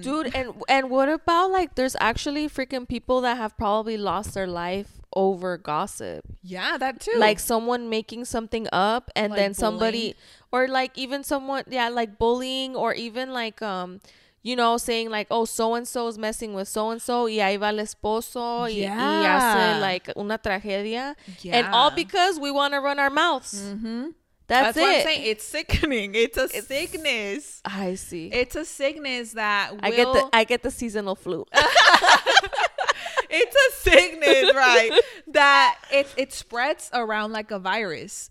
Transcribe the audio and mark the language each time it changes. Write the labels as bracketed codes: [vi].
[en] Dude, and what about, like, there's actually freaking people that have probably lost their life over gossip. Yeah, that too. Like, someone making something up and like then bullying. Somebody... Or, like, even someone... Yeah, like, bullying or even, like... You know, saying like, oh, so-and-so is messing with so-and-so. [es] Y ahí va el esposo. Y hace [en] like [es] una tragedia. [en] Yeah. And all because we want to run our mouths. Mm-hmm. That's it. What I'm saying. It's sickening. It's sickness. I see. It's a sickness that will... I get the seasonal flu. It's a sickness, right? That it spreads around like a virus.